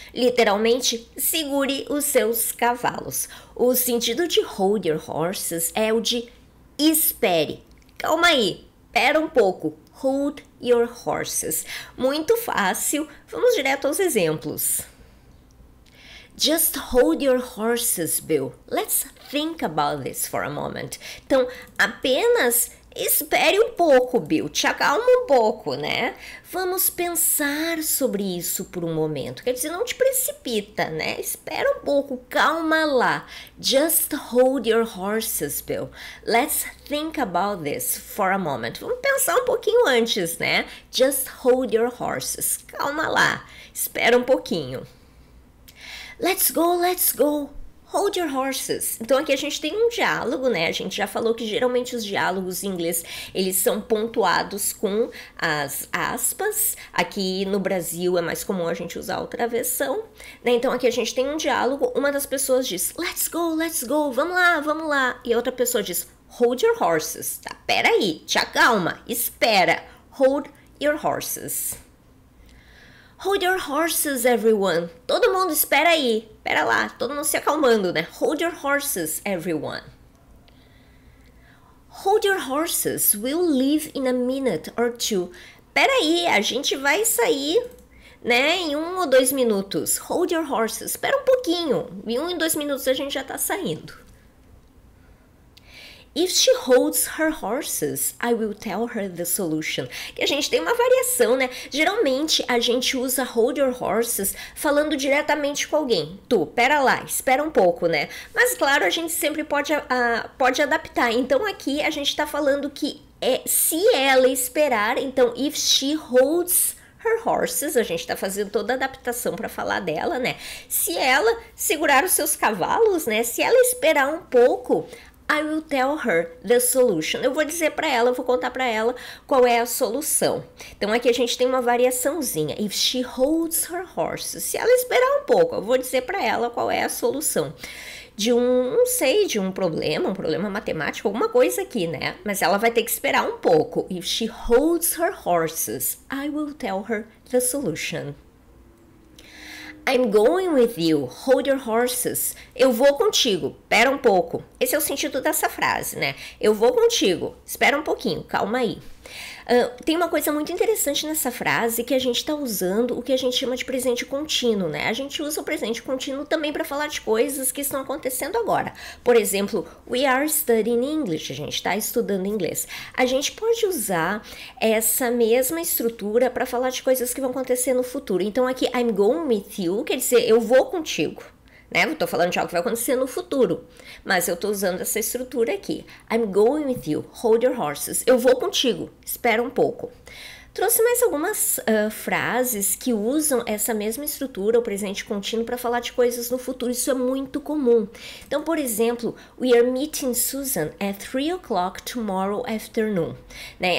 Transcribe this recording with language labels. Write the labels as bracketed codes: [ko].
[pt] Literalmente, segure os seus cavalos. O sentido de Hold Your Horses é o de espere. Calma aí, espera um pouco. [en] Hold Your Horses. [pt] Muito fácil, vamos direto aos exemplos. [en] Just hold your horses, Bill. Let's think about this for a moment. [pt] Então, apenas espere um pouco, Bill. Te acalma um pouco, né? Vamos pensar sobre isso por um momento. Quer dizer, não te precipita, né? Espera um pouco, calma lá. [en] Just hold your horses, Bill. Let's think about this for a moment. [pt] Vamos pensar um pouquinho antes, né? [en] Just hold your horses. [pt] Calma lá. Espera um pouquinho. [en] Let's go, let's go. Hold your horses. [pt] Então, aqui a gente tem um diálogo, né? A gente já falou que geralmente os diálogos em inglês, eles são pontuados com as aspas. Aqui no Brasil é mais comum a gente usar outra versão, né? Então, aqui a gente tem um diálogo. Uma das pessoas diz, [en] let's go, let's go. [pt] Vamos lá, vamos lá. E a outra pessoa diz, [en] hold your horses. [pt] Tá, pera aí, te acalma, espera. [en] Hold your horses. Hold your horses, everyone. [pt] Todo mundo, espera aí. Espera lá, todo mundo se acalmando, né? [en] Hold your horses, everyone. Hold your horses. We'll leave in a minute or two. [pt] Espera aí, a gente vai sair, né, em 1 ou 2 minutos. [en] Hold your horses. [pt] Espera um pouquinho. Em 1 ou 2 minutos a gente já está saindo. [en] If she holds her horses, I will tell her the solution. [pt] Que a gente tem uma variação, né? Geralmente, a gente usa [en] hold your horses [pt] falando diretamente com alguém. Tu, pera lá, espera um pouco, né? Mas, claro, a gente sempre pode adaptar. Então, aqui, a gente tá falando que é, se ela esperar, então, [en] if she holds her horses, [pt] a gente tá fazendo toda a adaptação para falar dela, né? Se ela segurar os seus cavalos, né? Se ela esperar um pouco, [en] I will tell her the solution. [pt] Eu vou dizer para ela, eu vou contar para ela qual é a solução. Então, aqui a gente tem uma variaçãozinha. [en] If she holds her horses. [pt] Se ela esperar um pouco, eu vou dizer para ela qual é a solução. De um problema matemático, alguma coisa aqui, né? Mas ela vai ter que esperar um pouco. [en] If she holds her horses, I will tell her the solution. I'm going with you. Hold your horses. [pt] Eu vou contigo. Espera um pouco. Esse é o sentido dessa frase, né? Eu vou contigo. Espera um pouquinho. Calma aí. Tem uma coisa muito interessante nessa frase que a gente está usando o que a gente chama de presente contínuo, né? A gente usa o presente contínuo também para falar de coisas que estão acontecendo agora. Por exemplo, [en] we are studying English. [pt] A gente está estudando inglês. A gente pode usar essa mesma estrutura para falar de coisas que vão acontecer no futuro. Então, aqui, [en] I'm going with you, [pt] quer dizer, eu vou contigo, né? Eu tô falando de algo que vai acontecer no futuro, mas eu tô usando essa estrutura aqui. [en] I'm going with you, hold your horses. [pt] Eu vou contigo, espera um pouco. Trouxe mais algumas frases que usam essa mesma estrutura, o presente contínuo, para falar de coisas no futuro. Isso é muito comum. Então, por exemplo, [en] we are meeting Susan at 3 o'clock tomorrow afternoon. [pt] Né?